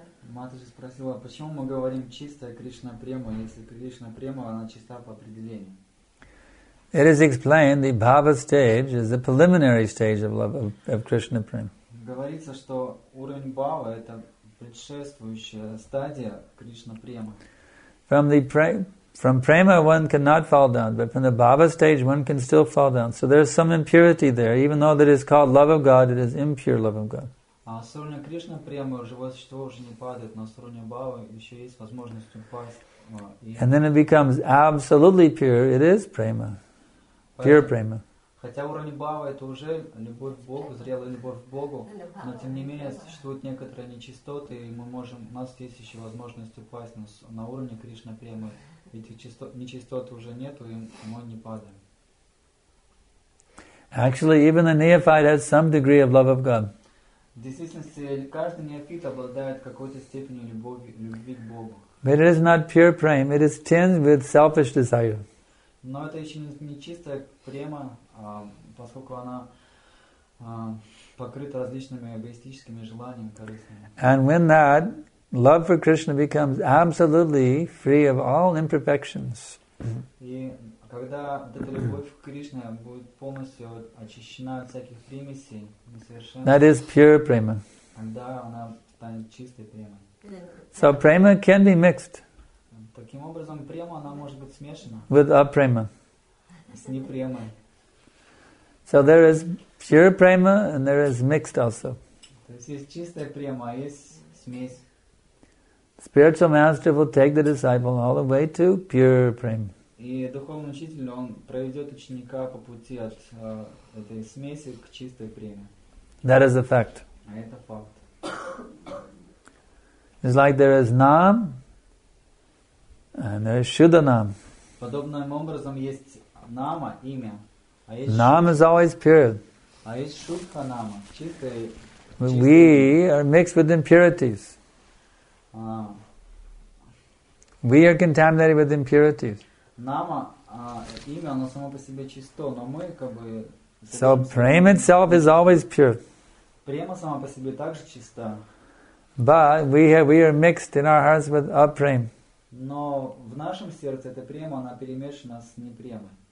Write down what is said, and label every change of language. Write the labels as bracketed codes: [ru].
[ru] Матаджи спросила, почему мы говорим чистая Кришна према, если Кришна према она чиста по определению. [en] It is explained the bhava stage is the preliminary stage of love of Krishna prema. [ru] Говорится, что уровень бхавы это предшествующая стадия Кришна према. [en] From prema one cannot fall down, but from the bhava stage one can still fall down. So there is some impurity there, even though that is called love of God, it is impure love of God. [ru] А с уровня Кришны прямо живое существо уже не падает, но с уровня Бхавы еще есть возможность упасть. [en] And then it becomes absolutely pure, it is prema. Pure prema. [ru] Хотя уровень Бхавы это уже любовь к Богу, зрелая любовь к Богу, но тем не менее существуют некоторые нечистоты, и мы можем, у нас есть еще возможность упасть на уровне Кришны прямо. Ведь нечистоты уже нету, и мы не падаем. [en] Actually, even the neophyte has some degree of love of God. [ru] В действительности, каждый неофит обладает какой-то степенью любви к Богу. [en] But it is not pure prema, it is tinged with selfish desire. [ru] Но это еще не чистая према, поскольку она покрыта различными эгоистическими желаниями, корыстными. [en] And when that love for Krishna becomes absolutely free of all imperfections. [ru] И когда эта любовь к Кришне будет полностью очищена от всяких примесей, [en] that is pure prema. [ru] Тогда она станет чистой премой. [en] So prema can be mixed. [ru] Таким образом, према она может быть смешана. [en] With a prema. [ru] С непремой. [en] So there is pure prema and there is mixed also. [ru] То есть есть чистая према, а есть смесь. [en] Spiritual master will take the disciple all the way to pure prema. [ru] И духовный учитель, он проведет ученика по пути от этой смеси к чистой преме. [en] That is a fact. [ru] А это факт. [en] It's like there is nam and there is shuddha nam. [ru] Подобным образом есть нама, имя. [en] Нам is always pure. We are mixed with impurities. We are contaminated with impurities. So prema itself is always pure. [ru] Prema сама по себе также чиста. [en] But we are mixed in our hearts with aprem. [ru] Но в нашем сердце эта према, она перемешана с непремой.